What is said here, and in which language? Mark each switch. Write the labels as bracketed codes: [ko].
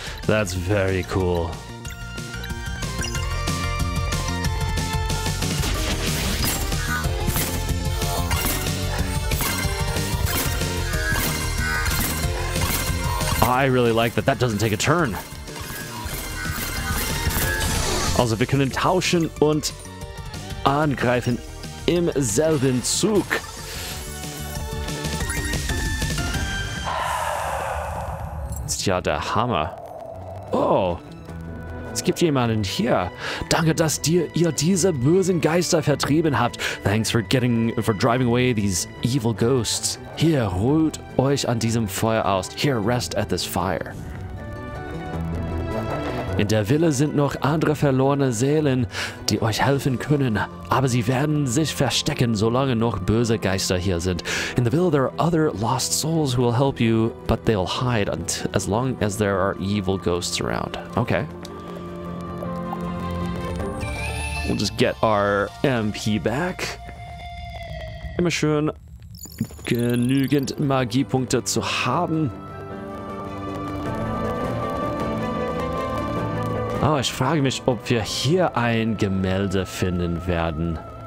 [en] That's very cool. I really like that. That doesn't take a turn. [de] Also, wir können tauschen und angreifen im selben Zug. Ja, der Hammer. Oh, es gibt jemanden hier. Danke, dass ihr diese bösen Geister vertrieben habt. [en] Thanks for driving away these evil ghosts. [de] Hier, ruht euch an diesem Feuer aus. [en] Here, rest at this fire. [de] In der Villa sind noch andere verlorene Seelen, die euch helfen können, aber sie werden sich verstecken, solange noch böse Geister hier sind. [en] In the Villa there are other lost souls who will help you, but they'll hide as long as there are evil ghosts around. Okay. We'll just get our MP back. [de] Immer schön, genügend Magiepunkte zu haben. Oh, ich frage mich, ob wir hier ein Gemälde finden werden.